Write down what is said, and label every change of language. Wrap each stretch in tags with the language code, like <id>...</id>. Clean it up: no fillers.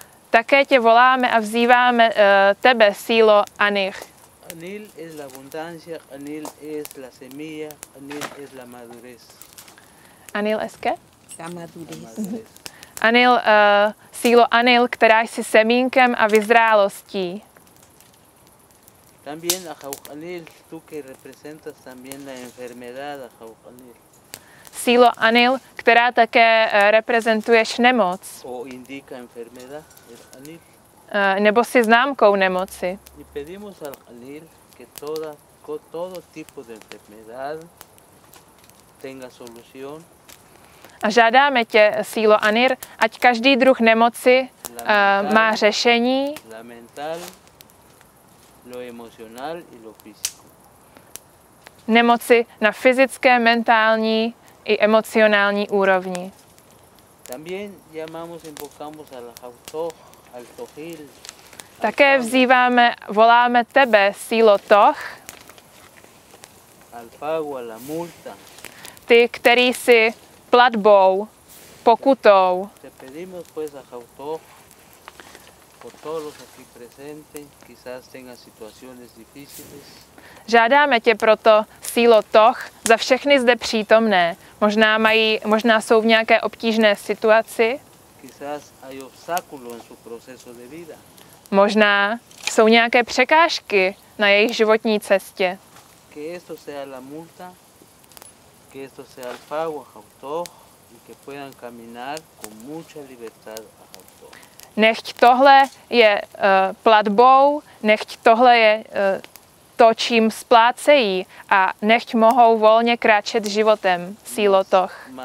<cs>Také tě voláme a vzýváme tebe, sílo Anir.</cs> <es>Anil es la abundancia, Anil es la semilla, Anil es la madurez. Anil es qué? La madurez.</es> <cs>Anil, sílo Anil, která jsi semínkem a vyzrálostí.</cs> <es>También Anil, tú que representas también la enfermedad, Anil.</es> <cs>Sílo Anil, která také reprezentuješ nemoc.</cs> <es>O indica enfermedad, Anil.</es> <cs>Nebo si známkou nemoci.</cs> <es>Y pedimos al Anil que toda, todo tipo de enfermedad tenga solución.</es> <cs>A žádáme tě, sílo Anir, ať každý druh nemoci má řešení.</cs> <es>La mental, lo emocional y lo físico.</es> <cs>Nemoci na fyzické, mentální i emocionální úrovni.</cs> <es>También llamamos, invocamos al auto, al tohil.</es> <cs>Také vzýváme, voláme tebe, sílo Toch.</cs> <es>Al pago, a la multa.</es> <cs>Ty, který jsi platbou, pokutou.</cs> <es>Te pedimos pues a auto, por todos los aquí presentes, quizás tenga situaciones difíciles.</es> <cs>Žádáme tě proto, sílo Toch, za všechny zde přítomné. Možná mají, možná jsou v nějaké obtížné situaci.</cs> <es>Quizás hay obstáculo en su proceso de vida.</es> <cs>Možná jsou nějaké překážky na jejich životní cestě.</cs> <es>Que esto sea la multa, que esto sea el pago a Toch, y que puedan caminar con mucha libertad a Toch.</es> <cs>Nechť tohle je platbou, nechť tohle je to, čím splácejí, a nechť mohou volně kráčet životem, sílo Toch.</cs>